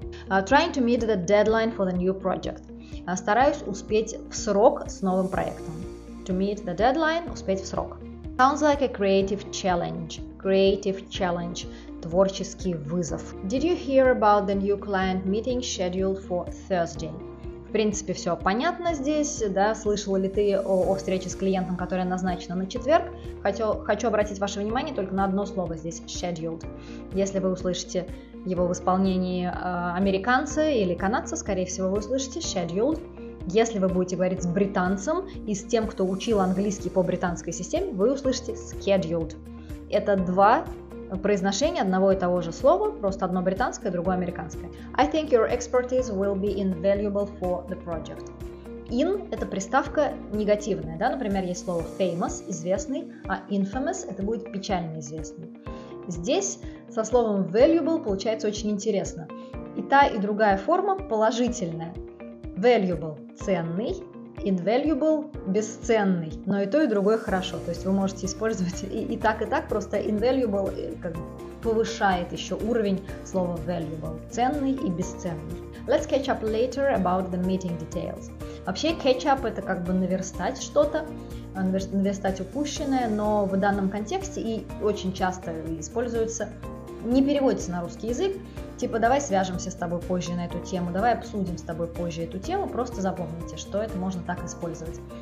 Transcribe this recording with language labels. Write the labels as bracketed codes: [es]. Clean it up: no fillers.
[en] Trying to meet the deadline for the new project. [ru] Стараюсь успеть в срок с новым проектом. [en] To meet the deadline, [ru] успеть в срок. [en] Sounds like a creative challenge. Creative challenge. [ru] Творческий вызов. [en] Did you hear about the new client meeting scheduled for Thursday? [ru] В принципе, все понятно здесь, да, слышала ли ты о встрече с клиентом, которая назначена на четверг. Хочу обратить ваше внимание только на одно слово здесь, scheduled. Если вы услышите его в исполнении американца или канадца, скорее всего, вы услышите scheduled. Если вы будете говорить с британцем и с тем, кто учил английский по британской системе, вы услышите scheduled. Это два произношение одного и того же слова, просто одно британское, другое американское. [en] I think your expertise will be invaluable for the project. [ru] In – это приставка негативная, да, например, есть слово famous – известный, а infamous – это будет печально известный. Здесь со словом valuable получается очень интересно. И та, и другая форма положительная. Valuable – ценный, invaluable – бесценный, но и то, и другое хорошо, то есть вы можете использовать и так, просто invaluable как повышает еще уровень слова valuable – ценный и бесценный. [en] Let's catch up later about the meeting details. [ru] Вообще, catch up – это как бы наверстать что-то, наверстать упущенное, но в данном контексте и очень часто используется, не переводится на русский язык, типа, давай свяжемся с тобой позже на эту тему, давай обсудим с тобой позже эту тему, просто запомните, что это можно так использовать.